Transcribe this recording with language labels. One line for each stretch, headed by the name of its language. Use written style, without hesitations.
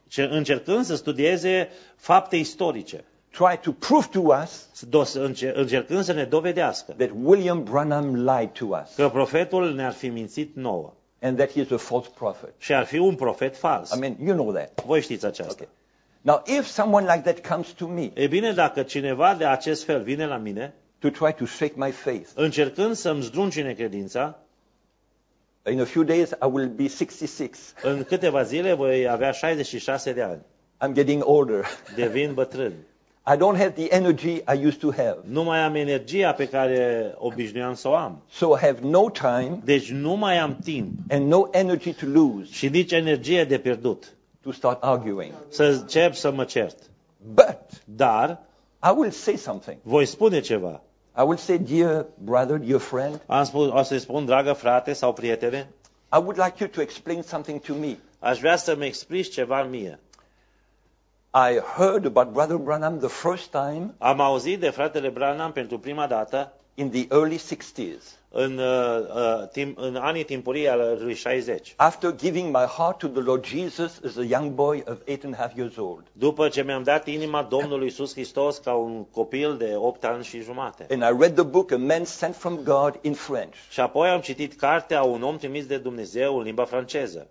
Romanian: Ce încercând să studieze fapte istorice.
English: Try to prove to us.
Romanian: Încercând să ne dovedească.
English: That William Branham lied to us.
Romanian: Că profetul ne-ar fi mințit nouă.
English: And that he is a false prophet.
Romanian: Și ar fi un profet fals.
English: I mean, you know that.
Romanian: Voi știți aceasta. Okay.
English: Now, if someone like that comes to me,
Romanian: e bine, dacă cineva de acest fel vine la mine,
English: to try to shake my faith,
Romanian: încercând să-mi zdruncine credința,
English: in a few days I will be 66.
Romanian: În câteva zile voi avea 66 de ani.
English: I'm getting older.
Romanian: Devin bătrân.
English: I don't have the energy I used to have.
Romanian: Nu mai am energia pe care obișnuiam să o am.
English: So I have no time.
Romanian: Deci nu mai am timp.
English: And no energy to lose.
Romanian: Și nici energie de pierdut.
English: To start arguing.
Romanian: Să încep să mă cert.
English: But
Romanian: dar
English: I will say something.
Romanian: Voi spune ceva.
English: I will say dear brother, dear friend.
Romanian: O să-i spun dragă frate sau prietene.
English: I would like you to explain something to me.
Romanian: Aș vrea să-mi explici ceva mie.
English: I heard about Brother Branham the first time.
Romanian: Am auzit de fratele Branham pentru prima dată
English: in the early 60s.
Romanian: În anii timpurii al lui 60.
English: After giving my heart to the Lord Jesus as a young boy of 8.5 years old.
Romanian: După ce mi-am dat inima Domnului Iisus Hristos ca un copil de 8 ani și jumate.
English: And I read the book A Man Sent from God in French.
Romanian: Și apoi am citit cartea Un om trimis de Dumnezeu în limba franceză.